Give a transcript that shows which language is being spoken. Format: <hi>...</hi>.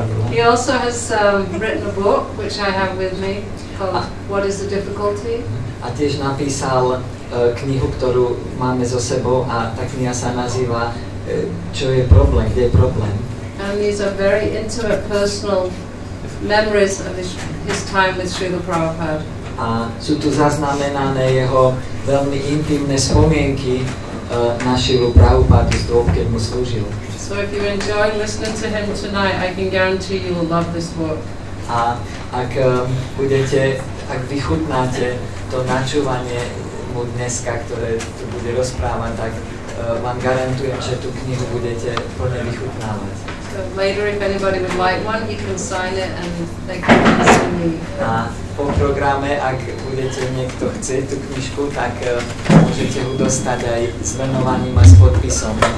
<en>He also has written a book, which I have with me, called What is the Difficulty?</en> <sk>A tiež napísal knihu, ktorú máme so sebou, a tá kniha sa nazýva Čo je problém? Kde je problém?</sk> <en>And these are very intimate personal memories of his time with Srila Prabhupada.</en> <sk>A sú tu zaznamenané jeho veľmi intimné spomienky na Srilu Prabhupádu z dôb, keď mu slúžil.</sk> <en>So if you enjoy listening to him tonight, I can guarantee you will love this book.</en> <sk>A ak budete, ak vychutnáte to načúvanie mu dneska, ktoré tu bude rozprávať, tak vám garantujem, že tú knihu budete plne vychutnávať.</sk> <en>Later, if anybody would like one, he can sign it and they can give it to me.</en> <sk>A po programe, ak budete niekto chce tú knižku, tak môžete ju dostať aj s venovaním a s podpisom.</sk>